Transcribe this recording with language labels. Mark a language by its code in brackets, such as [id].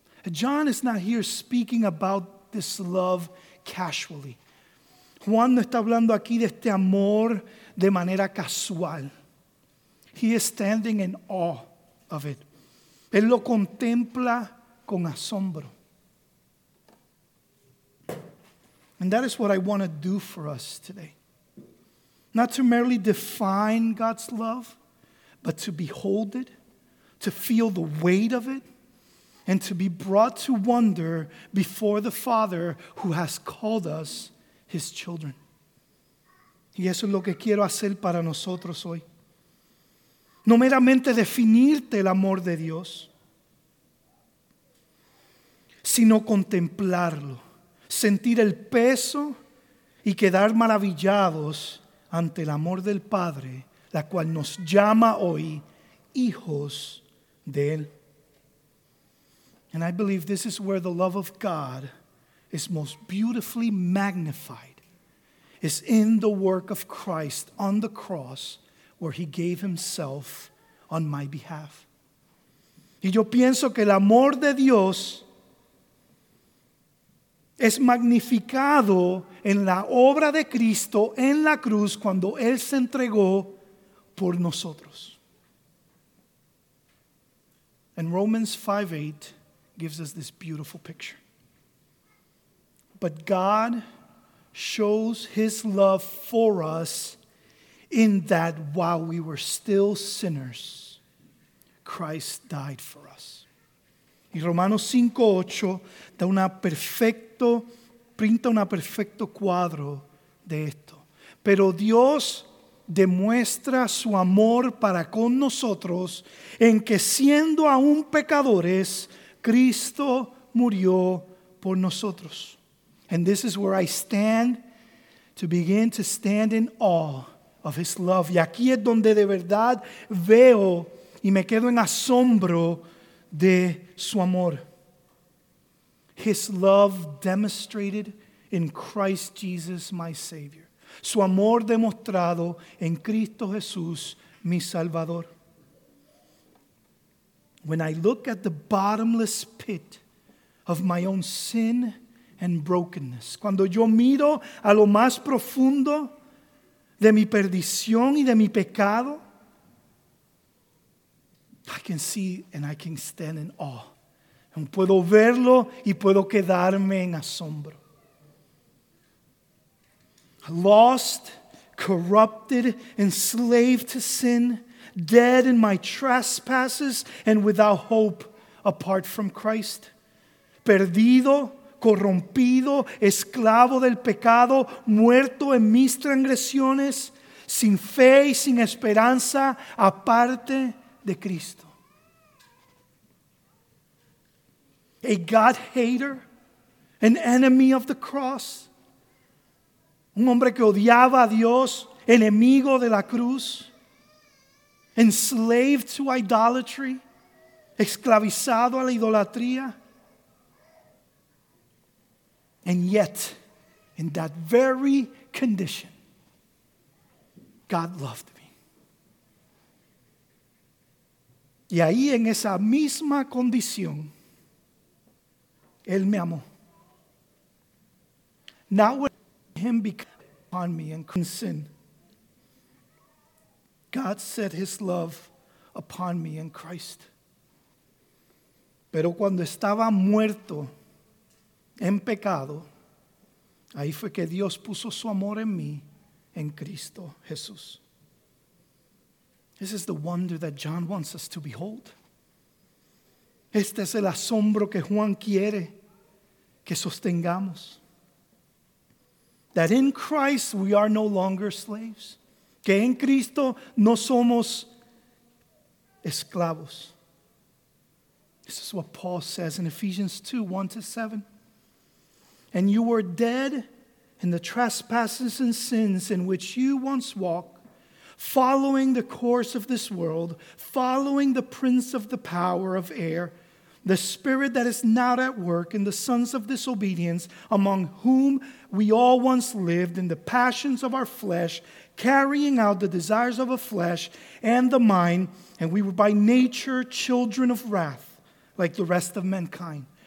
[en] John is not here speaking about this love casually. [es] Juan no está hablando aquí de este amor de manera casual. [en] He is standing in awe of it. [es] Él lo contempla con asombro. [en] And that is what I want to do for us today. Not to merely define God's love, but to behold it, to feel the weight of it, and to be brought to wonder before the Father who has called us his children. [es] Y eso es lo que quiero hacer para nosotros hoy. No meramente definirte el amor de Dios, sino contemplarlo, sentir el peso y quedar maravillados ante el amor del Padre, la cual nos llama hoy hijos de él. [en] And I believe this is where the love of God is most beautifully magnified, is in the work of Christ on the cross, where he gave himself on my behalf. [es] Y yo pienso que el amor de Dios es magnificado en la obra de Cristo en la cruz cuando él se entregó por nosotros. [en] And Romans 5:8 gives us this beautiful picture. But God shows his love for us in that while we were still sinners, Christ died for us. [es] Y Romanos 5:8 da una perfecto, pinta una perfecto cuadro de esto. Pero Dios demuestra su amor para con nosotros en que siendo aún pecadores, Cristo murió por nosotros. [en] And this is where I stand to begin to stand in awe of his love. [es] Y aquí es donde de verdad veo y me quedo en asombro de su amor. [en] His love demonstrated in Christ Jesus, my Savior. [es] Su amor demostrado en Cristo Jesús, mi Salvador. [en] When I look at the bottomless pit of my own sin and brokenness. [es] Cuando yo miro a lo más profundo de mi perdición y de mi pecado, [en] I can see and I can stand in awe. [es] Y puedo verlo y puedo quedarme en asombro. [en] Lost, corrupted, enslaved to sin, dead in my trespasses and without hope apart from Christ. [es] Perdido, corrompido, esclavo del pecado, muerto en mis transgresiones, sin fe y sin esperanza, aparte de Cristo. [en] A God hater, an enemy of the cross, [es] un hombre que odiaba a Dios, enemigo de la cruz, [en] enslaved to idolatry, [es] esclavizado a la idolatría. [en] And yet, in that very condition, God loved me. [es] Y ahí en esa misma condición, Él me amó. [en] Not when Him became upon me and couldn't sin. God set His love upon me in Christ. [es] Pero cuando estaba muerto en pecado, ahí fue que Dios puso su amor en mí, en Cristo Jesús. [en] This is the wonder that John wants us to behold. [es] Este es el asombro que Juan quiere que sostengamos. [en] That in Christ we are no longer slaves. [es] Que en Cristo no somos esclavos. [en] This is what Paul says in Ephesians 2, 1 to 7. And you were dead in the trespasses and sins in which you once walked, following the course of this world, following the prince of the power of air, the spirit that is now at work in the sons of disobedience, among whom we all once lived in the passions of our flesh, carrying out the desires of the flesh and the mind, and we were by nature children of wrath, like the rest of mankind.